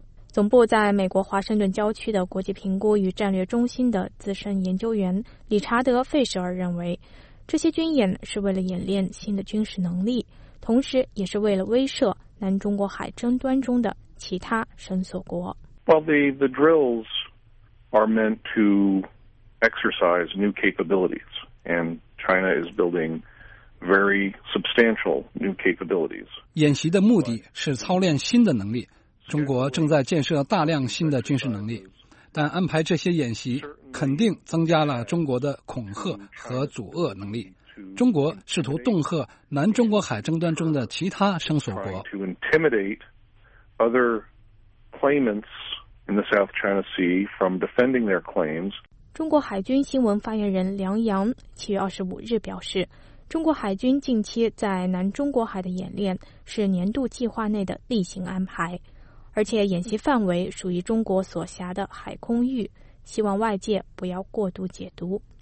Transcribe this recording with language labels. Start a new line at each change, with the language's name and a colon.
Chinese: 总部在美国华盛顿郊区的国际评估与战略中心的资深研究员理查德·费舍尔认为，这些军演是为了演练新的军事能力，同时也是为了威慑南中国海争端中的其他绳索国。
English: Well, the drills are meant to exercise new capabilities, and China is building very substantial new capabilities.
Chinese: 演习的目的是操练新的能力，中国正在建设大量新的军事能力，但安排这些演习肯定增加了中国的恐吓和阻遏能力。中国试图恫吓南中国海争端中的其他绳索国。
English: To intimidate other claimants in the South China Sea from defending their claims.
Chinese: 中国海军新闻发言人梁洋7月25日表示，中国海军近期在南中国海的演练是年度计划内的例行安排，而且演习范围属于中国所辖的海空域，希望外界不要过度解读。